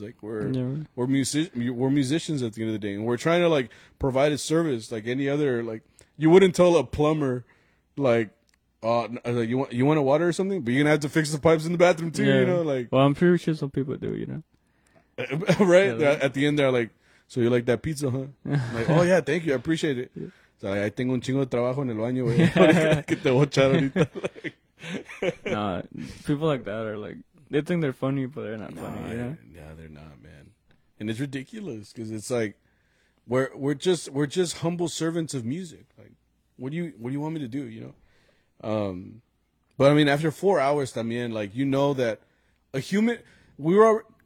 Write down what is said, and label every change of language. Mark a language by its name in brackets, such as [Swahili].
[English] Like we're musicians at the end of the day. And we're trying to like provide a service like any other, like you wouldn't tell a plumber like, you want a water or something, but you're gonna have to fix the pipes in the bathroom too. Yeah. You know, like, well, I'm pretty sure some people do, you know, right. Yeah, like, at the end, they're like, so you like that pizza, huh? I'm like, oh yeah, thank you, I appreciate it. So like, I [Spanish] tengo un chingo de trabajo en el baño, güey. Que te voy a echar ahorita. [English] Nah, people like that are like, they think they're funny, but they're not funny. Yeah, they're not, man. And it's ridiculous because it's like, we're just humble servants of music. Like, what do you want me to do? You know. But I mean, after 4 hours, [Spanish] también, [English] like, you know that a human, we were.